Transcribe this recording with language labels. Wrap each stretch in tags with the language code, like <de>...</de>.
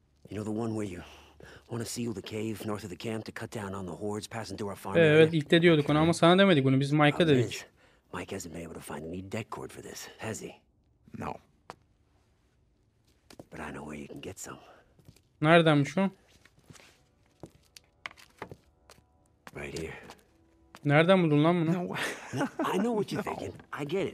<en>You know the one where you want to seal the cave north of the camp to cut down on the hordes passing through our farm area?</en> <tr>Evet, ilk de diyorduk onu ama sana demedik bunu. Biz Mike'a dedik.</tr> <en>Mike hasn't been able to find any deck cord for this, has he? No. But I know where you can get some.</en> <tr>Neredenmiş o?</tr> <en>Right here.</en> <tr>Nereden buldun lan bunu?</tr> <en>No. I know what you're thinking. I get it.</en>